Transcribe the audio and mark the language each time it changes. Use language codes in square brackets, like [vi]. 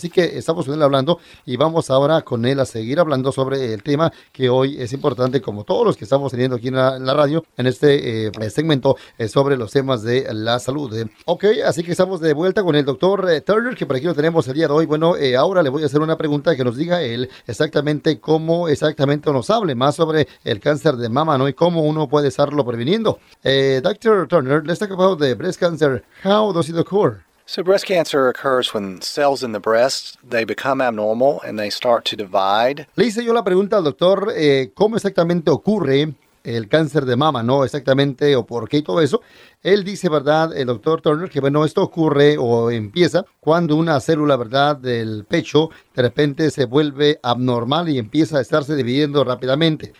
[es] Así que estamos con él hablando y vamos ahora con él a seguir hablando sobre el tema que hoy es importante, como todos los que estamos teniendo aquí en la radio, en este segmento, sobre los temas de la salud. Ok, así que estamos de vuelta con el doctor Turner, que por aquí lo tenemos el día de hoy. Bueno, ahora le voy a hacer una pregunta que nos diga él exactamente cómo exactamente nos hable más sobre el cáncer de mama, ¿no?, y cómo uno puede estarlo previniendo. [en] Dr. Turner, let's talk about the breast cancer. How does it occur? So breast cancer occurs when cells in the breast, they become abnormal and they start to divide. [es] Le hice yo la pregunta al doctor, ¿cómo exactamente ocurre el cáncer de mama, ¿no?, exactamente, o por qué y todo eso? Él dice, ¿verdad?, el doctor Turner, que bueno, esto ocurre o empieza cuando una célula, ¿verdad?, del pecho de repente se vuelve abnormal y empieza a estarse dividiendo rápidamente.